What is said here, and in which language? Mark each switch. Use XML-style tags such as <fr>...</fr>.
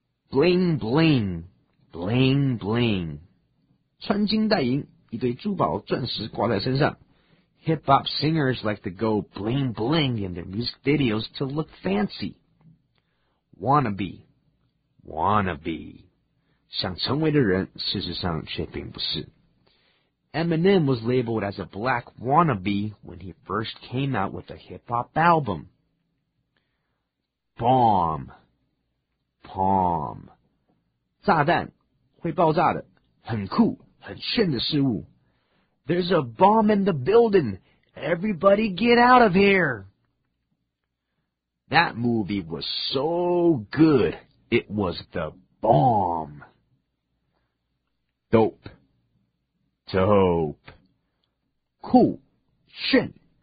<en>Bling bling, bling bling.</en> <zh>穿金戴银，一堆珠宝钻石挂在身上。</zh> <en>Hip-hop singers like to go bling bling in their music videos to look fancy. Wannabe, wannabe.</en> <zh>想成为的人，事实上却并不是。</zh> <en>Eminem was labeled as a black wannabe when he first came out with a hip-hop album. Bomb, bomb.</en> <zh>炸弹，会爆炸的，很酷，很炫的事物。</zh> <en>There's a bomb in the building. Everybody get out of here. That movie was so good. It was the bomb. Dope. Dope. Cool. Shin.</en>